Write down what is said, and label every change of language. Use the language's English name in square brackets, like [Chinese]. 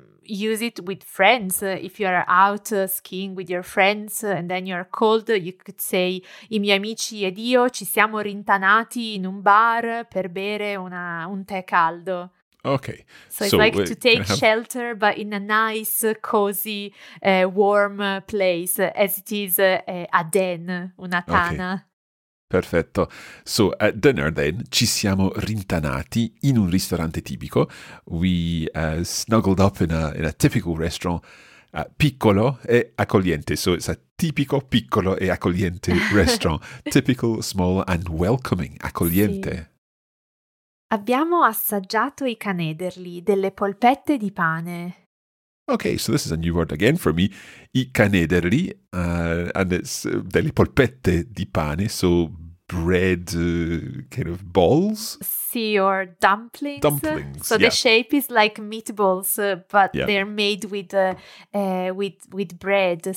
[English] use it with friends. If you are out skiing with your friends and then you are cold, you could say [Italian] i miei amici ed io ci siamo rintanati in un bar per bere un tè caldo. [English] Okay. So it's like to take shelter, but in a nice, cozy, warm place, as it is a den, [Italian] una tana. [English] Okay. Perfetto. So, at dinner then, [Italian] ci siamo rintanati in un ristorante tipico. [English] We snuggled up in a typical restaurant, [Italian] piccolo e accogliente. [English] So, it's a [Italian] tipico, piccolo e accogliente [English] restaurant. Typical, small and welcoming, accogliente. [Italian] Sì. Abbiamo assaggiato i canederli, delle polpette di pane. [English] Okay, so this is a new word again for me. I canederli, and it's [Italian] delle polpette di pane, [English] so bread kind of balls. Sì, or dumplings. Dumplings. So yeah. The shape is like meatballs, but yeah. They're made with bread.